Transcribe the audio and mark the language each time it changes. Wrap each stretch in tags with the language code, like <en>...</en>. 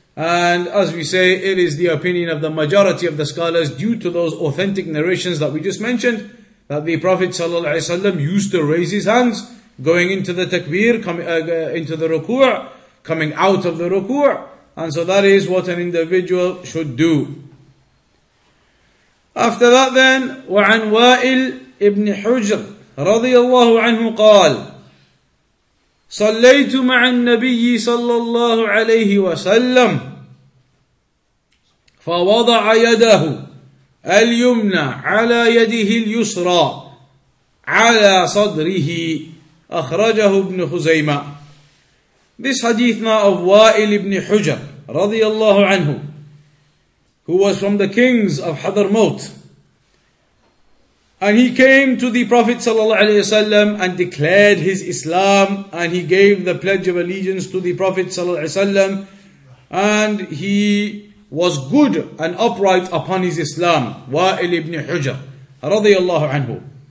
<en>And as we say, it is the opinion of the majority of the scholars, due to those authentic narrations that we just mentioned, that the Prophet ﷺ used to raise his hands, going into the takbir, into the ruku', coming out of the ruku'. And so that is what an individual should do. After that then,</en> <ar>وَعَنْ وَائِلْ إِبْنِ حُجْرٍ رَضِيَ اللَّهُ عَنْهُ قَالْ صليت مع النبي صلى الله عليه وسلم فوضع يده اليمنى على يده اليسرى على صدره أخرجه ابن خزيمة.</ar> <en>This hadith now of Wa'il ibn Hujr رضي الله عنه, who was from the kings of Hadramaut. And he came to the Prophet ﷺ and declared his Islam, and he gave the pledge of allegiance to the Prophet ﷺ, and he was good and upright upon his Islam, Wa'il ibn Hujr, radiyallahu anhu.</en>